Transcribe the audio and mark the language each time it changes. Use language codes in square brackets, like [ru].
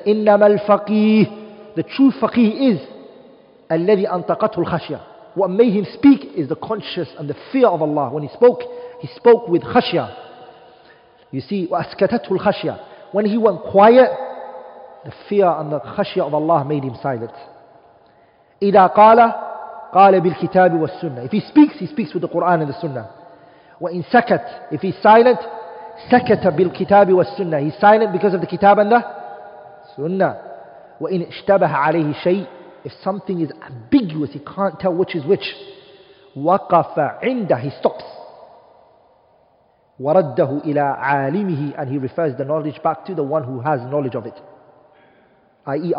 [ar] إنما الفقيه, [en] the true faqih is [ar] الذي أنطقته الخشية. [en] What made him speak is the conscious and the fear of Allah. When he spoke with خشية. You see, [ar] وأسكتته الخشية. [en] When he went quiet, the fear and the خشية of Allah made him silent. [ar] إذا قال قال بالكتاب والسنة. [en] If he speaks with the Quran and the Sunnah. [ar] وإن سكت, [en] if he's silent, [ar] سكت بالكتاب والسنة. [en] He's silent because of the Kitab and the Sunnah. [ar] وإن اشتبه عليه شيء, [en] if something is ambiguous, he can't tell which is which. [ar] وقف عنده, [en] he stops. [ar] ورده إلى عالمه, [en] and he refers the knowledge back to the one who has knowledge of it, i.e.